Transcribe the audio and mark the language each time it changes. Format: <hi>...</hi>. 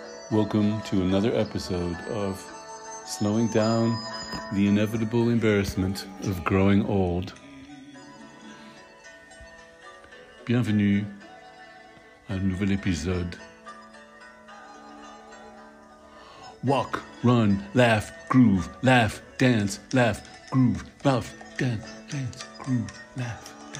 <en>Welcome to another episode of Slowing Down the Inevitable Embarrassment of Growing Old.</en> <fr>Bienvenue à un nouvel épisode.</fr> <en>Walk, run, laugh, groove, laugh, dance, laugh, groove, laugh, dance, groove, laugh.</en>